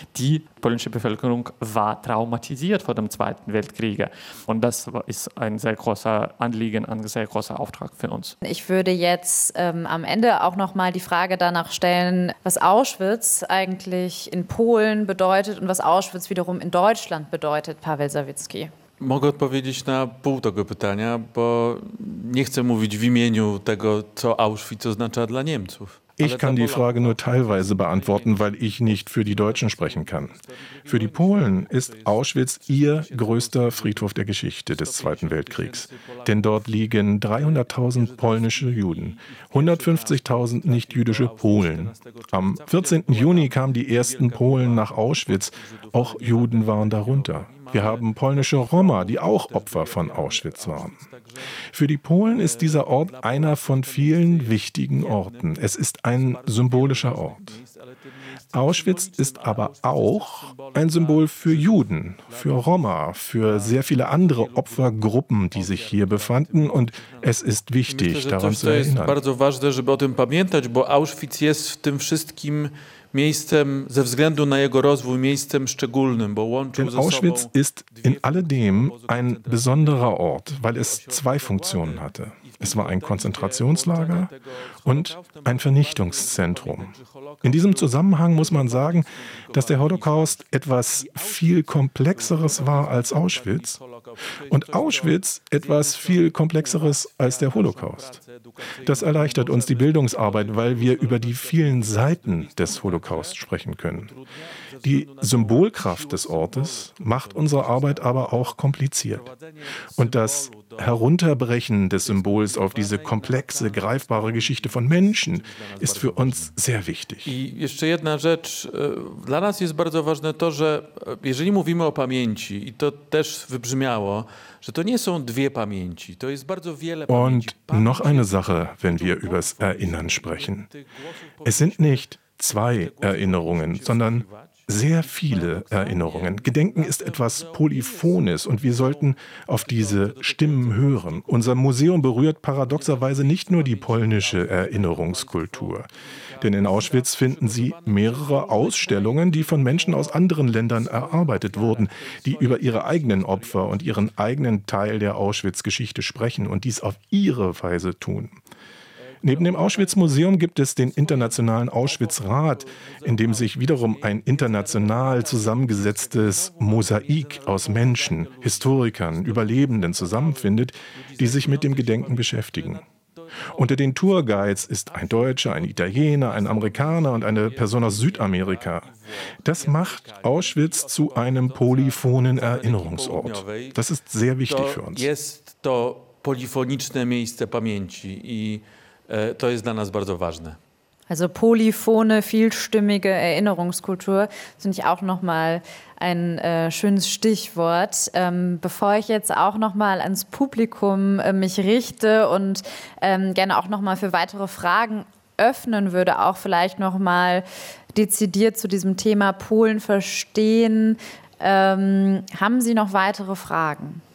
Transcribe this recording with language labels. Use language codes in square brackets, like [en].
[de] Die polnische Bevölkerung war traumatisiert vor dem Zweiten Weltkrieg. Und das ist ein sehr großer Anliegen, ein sehr großer Auftrag für uns. Ich würde jetzt am Ende auch noch mal die Frage danach stellen, was Auschwitz eigentlich in Polen bedeutet und was Auschwitz wiederum in Deutschland bedeutet, Paweł Sawicki. [pl] Mogę odpowiedzieć na pół tego pytania, bo nie chcę mówić w imieniu tego, co Auschwitz oznacza dla Niemców. [de] Ich kann die Frage nur teilweise beantworten, weil ich nicht für die Deutschen sprechen kann. Für die Polen ist Auschwitz ihr größter Friedhof der Geschichte des Zweiten Weltkriegs. Denn dort liegen 300.000 polnische Juden, 150.000 nichtjüdische Polen. Am 14. Juni kamen die ersten Polen nach Auschwitz. Auch Juden waren darunter. Wir haben polnische Roma, die auch Opfer von Auschwitz waren. Für die Polen ist dieser Ort einer von vielen wichtigen Orten. Es ist ein symbolischer Ort. Auschwitz ist aber auch ein Symbol für Juden, für Roma, für sehr viele andere Opfergruppen, die sich hier befanden. Und es ist wichtig, daran zu erinnern. Es ist [pl] bardzo ważne, żeby o tym pamiętać, bo Auschwitz jest w tym wszystkim miejscem, ze względu na jego rozwój, miejscem szczególnym, bo łączył ze sobą. [de] Auschwitz ist in alledem ein besonderer Ort, weil es zwei Funktionen hatte. Es war ein Konzentrationslager und ein Vernichtungszentrum. In diesem Zusammenhang muss man sagen, dass der Holocaust etwas viel Komplexeres war als Auschwitz und Auschwitz etwas viel Komplexeres als der Holocaust. Das erleichtert uns die Bildungsarbeit, weil wir über die vielen Seiten des Holocaust sprechen können. Die Symbolkraft des Ortes macht unsere Arbeit aber auch kompliziert. Und das Herunterbrechen des Symbols auf diese komplexe, greifbare Geschichte von Menschen ist für uns sehr wichtig. [pl] I jeszcze jedna rzecz. Dla nas jest bardzo ważne to, że jeżeli mówimy o pamięci, i to też wybrzmiało, że to nie są dwie pamięci, to jest bardzo wiele pamięci. [de] Und noch eine Sache, wenn wir übers Erinnern sprechen. Es sind nicht zwei Erinnerungen, sondern sehr viele Erinnerungen. Gedenken ist etwas Polyphones und wir sollten auf diese Stimmen hören. Unser Museum berührt paradoxerweise nicht nur die polnische Erinnerungskultur. Denn in Auschwitz finden Sie mehrere Ausstellungen, die von Menschen aus anderen Ländern erarbeitet wurden, die über ihre eigenen Opfer und ihren eigenen Teil der Auschwitz-Geschichte sprechen und dies auf ihre Weise tun. Neben dem Auschwitz-Museum gibt es den Internationalen Auschwitz-Rat, in dem sich wiederum ein international zusammengesetztes Mosaik aus Menschen, Historikern, Überlebenden zusammenfindet, die sich mit dem Gedenken beschäftigen. Unter den Tourguides ist ein Deutscher, ein Italiener, ein Amerikaner und eine Person aus Südamerika. Das macht Auschwitz zu einem polyphonen Erinnerungsort. Das ist sehr wichtig für uns. [pl] Jest to polifoniczne miejsce pamięci i to jest dla nas bardzo ważne. [de] Also polyphone, vielstimmige Erinnerungskultur, finde ich auch nochmal ein schönes Stichwort. Bevor ich jetzt auch nochmal ans Publikum mich richte und gerne auch nochmal für weitere Fragen öffnen würde, auch vielleicht nochmal dezidiert zu diesem Thema Polen verstehen, haben Sie noch weitere Fragen?